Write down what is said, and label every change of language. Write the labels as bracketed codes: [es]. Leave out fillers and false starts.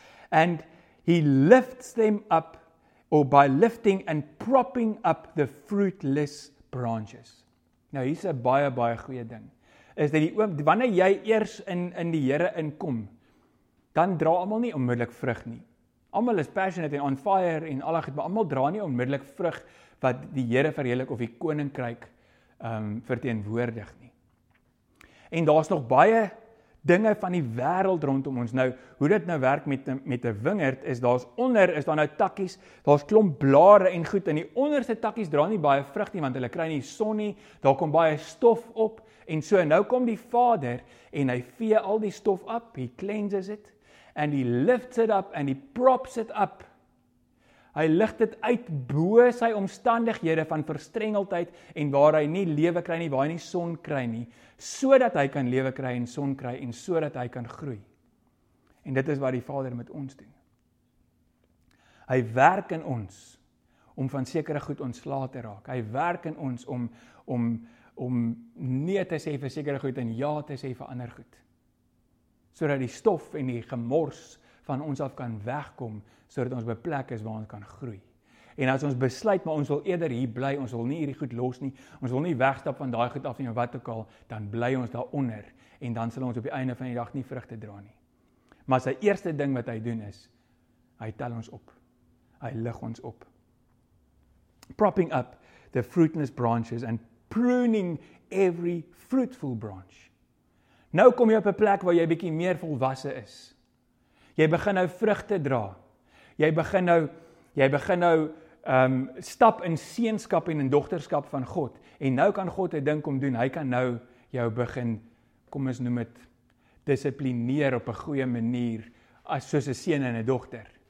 [en] And he lifts them up or by lifting and propping up the fruitless branches. [af] Nou hier's 'n baie baie goeie ding. Is dat die oom wanneer jy eers in die Here inkom, dan dra almal nie onmiddellik vrug nie. Almal is passionate en [en] on fire [af] en al daai, maar almal dra nie onmiddellik vrug wat die Here verheerlik of die koninkryk verteenwoordig nie. En daar's nog baie dinge van die wêreld rondom ons. Nou, hoe dit nou werk met 'n wingerd is daar's onder is daar nou takkies, daar's klomp blare en goed en die onderste takkies dra nie baie vrug nie want hulle kry nie son nie. Daar kom baie stof op en so nou kom die Vader en hy vee al die stof op. [en] He cleanses it and he lifts it up and he props it up. [af] Hy lig dit uit bo sy omstandighede van verstrengeldheid en waar hy nie lewe kry nie, waar hy nie son kry nie, sodat hy kan lewe kry en son kry en sodat hy kan groei. En dit is wat die Vader met ons doen. Hy werk in ons om van sekere goed ontslae te raak. Hy werk in ons om nee te sê vir sekere goed en ja te sê vir ander goed. Sodat die stof en die gemors van ons af kan wegkom sodat ons by plek is waar ons kan groei. En as ons besluit maar ons wil eerder hier bly, ons wil nie hierdie goed los nie. Ons wil nie wegstap van daai goed af nie en wat ook al, dan bly ons daaronder en dan sal ons op die einde van die dag nie vrugte dra nie. Maar sy eerste ding wat hy doen is hy tel ons op. Hy lig ons op. [en] Propping up the fruitless branches and pruning every fruitful branch. [af] Nou kom jy op 'n plek waar jy bietjie meer volwasse is. Jy begin nou vrugte dra. Jy begin nou stap in seenskap en in dogterskap van God. En nou kan God 'n ding kom doen, hy kan nou jou begin, kom ons noem het, disiplineer op 'n goeie manier, as soos 'n seun en 'n dogter.